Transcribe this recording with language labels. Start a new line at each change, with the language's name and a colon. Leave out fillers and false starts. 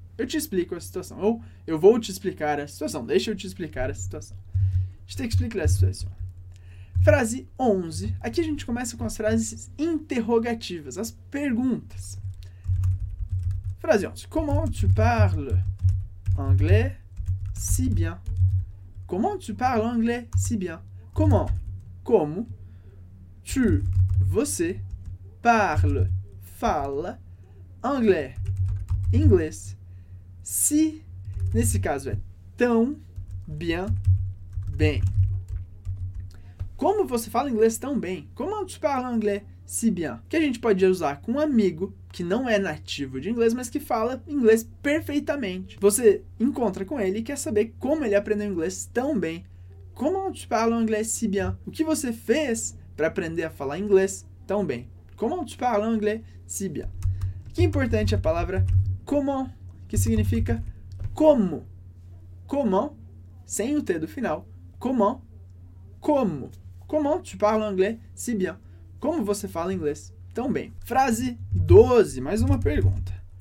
Portuguese: Eu te explico a situação. Ou, eu vou te explicar a situação. Deixa eu te explicar a situação.
French: Je t'explique la situation.
Portuguese: Frase 11. Aqui a gente começa com as frases interrogativas, as perguntas. Frase 11.
French: Comment tu parles anglais si bien? Comment tu parles anglais si bien?
Portuguese: Comment, como, tu, você, parle, fala, anglais, inglês, si, nesse caso é tão, bien, bem. Como você fala inglês tão bem?
French: Comment tu parles anglais si bien?
Portuguese: Que a gente pode usar com um amigo que não é nativo de inglês, mas que fala inglês perfeitamente. Você encontra com ele e quer saber como ele aprendeu inglês tão bem.
French: Comment tu parles anglais si bien?
Portuguese: O que você fez para aprender a falar inglês tão bem?
French: Comment tu parles anglais si bien?
Portuguese: Que importante a palavra comment, que significa como. Comment, sem o T do final. Comment, como.
French: Comment tu parles anglais si bien?
Portuguese: Como você fala inglês tão bem? Frase 12, mais uma pergunta.